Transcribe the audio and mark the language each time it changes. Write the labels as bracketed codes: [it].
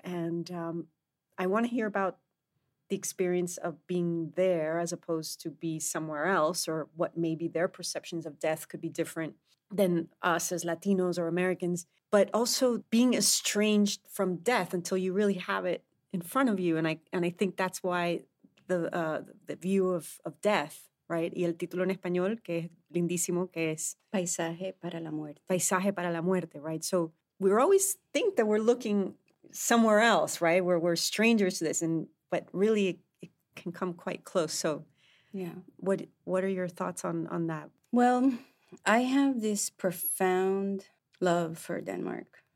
[en] And I want to hear about the experience of being there as opposed to be somewhere else, or what maybe their perceptions of death could be different than us as Latinos or Americans, but also being estranged from death until you really have it in front of you. And I think that's why the view of death, right? [es] Y el título en español, que es lindísimo, que es Paisaje para la Muerte. [en] Paisaje para la Muerte, right? So we always think that we're looking somewhere else, right? Where we're strangers to this, but really it can come quite close. So yeah, what are your thoughts on that? Well, I have this profound love for Denmark.